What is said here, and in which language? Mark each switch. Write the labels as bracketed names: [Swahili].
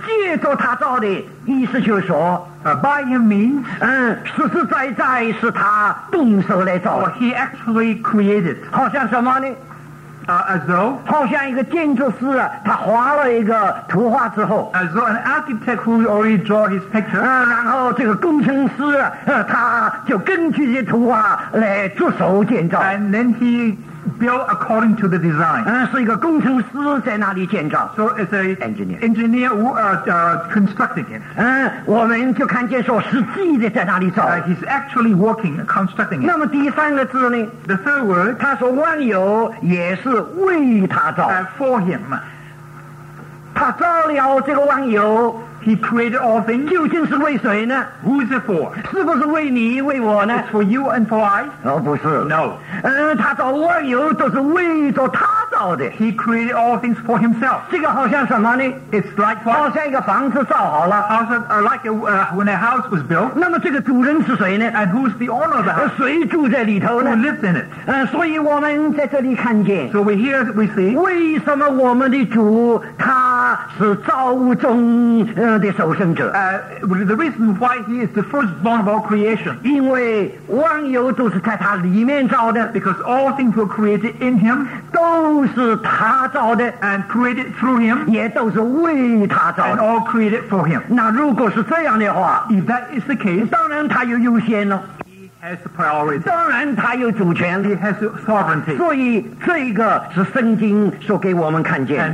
[Chinese] 借着他造的意思就是说 [English] by him means [Chinese] 实实在在是他动手来造的 [English] he actually created [Chinese] 好像什么呢 [English] as though [Chinese] 好像一个建筑师 他画了一个图画之后 [English] as though an architect who already draw his picture [Chinese] 然后这个工程师 他就根据这图画来着手建造 [English] and then he built according to the design. So it's an engineer who constructing it. He's actually working, constructing it. [Chinese] 那么第三个字呢? [English] The third word, [Chinese] 他说万有也是为他造, [English] for him. [Chinese] 他造了这个万有, [English] he created all things. [Chinese] 究竟是为谁呢? [English] Who is it for? [Chinese] 是不是为你, 为我呢? [English] It's for you and for I? [Chinese] Oh, 不是。 [English] No. [Chinese] 他造万有都是为着他造的。 [English] He created all things for himself. [Chinese] 这个好像什么呢? [English] It's like what? [Chinese] 好像一个房子造好了。 [English] When a house was built. [Chinese] 那么这个主人是谁呢? [English] And who's the owner of the house? [Chinese] 谁住在里头呢? [English] Who lives in it? [Chinese] 所以我们在这里看见, [English] so we hear, we see. [Chinese] 为什么我们的主他是造物中 [English] The reason why he is the firstborn of all creation. Because all things were created in him. And created through him. And all created for him. If that is the case, he has the priority. He has the sovereignty. [Chinese] 所以这个是圣经所给我们看见。